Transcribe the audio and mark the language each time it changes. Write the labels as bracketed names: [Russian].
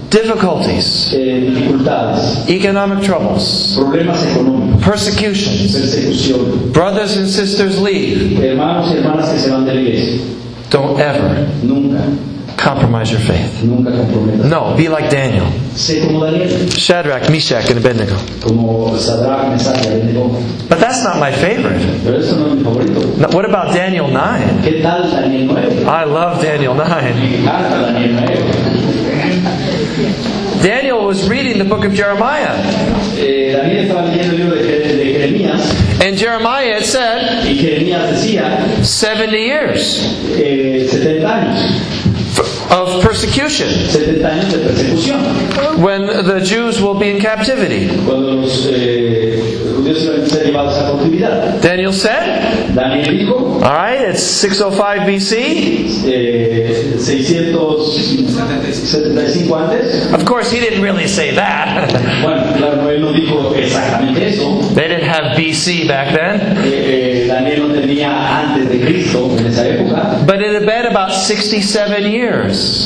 [English] difficulties, economic troubles, [Spanish] problemas económicos, [English] persecutions, [Spanish] persecución, [English] brothers and sisters leave, [Spanish] hermanos y hermanas que se van de la iglesia. [English] Don't ever, [Spanish] nunca, [English] compromise your faith. [Spanish] Nunca comprometas. [English] No, be like Daniel. [Spanish] Sé como Daniel. [English] Shadrach, Meshach, and Abednego. [Spanish] Como Shadrach, Meshach, y Abednego. [English] But that's not my favorite. [Spanish] Pero eso no es mi favorito. [English] Now, what about Daniel 9? [Spanish] ¿Qué tal Daniel 9? [English] I love Daniel 9. [Spanish] Me encanta Daniel 9. [English] Daniel was reading the book of Jeremiah. [Spanish] Daniel estaba leyendo el libro de Jeremías. [English] And Jeremiah said, [Spanish] y Jeremías decía, [English] 70 years. [Spanish] 70 años. [English] Of persecution. [Spanish] 70 años de persecución. [English] When the Jews will be in captivity. [Spanish] Cuando los judíos iban a ser llevados a cautividad. [English] Daniel said. [Spanish] Daniel dijo. [English] All right, it's 605 BC. [Spanish] 675 antes. [English] Of course, he didn't really say that. [Spanish] Bueno, claro, él no dijo exactamente eso. [English] They didn't have BC back then. [Spanish] Daniel no tenía antes de Cristo en esa época. [English] But it had been about 67 years.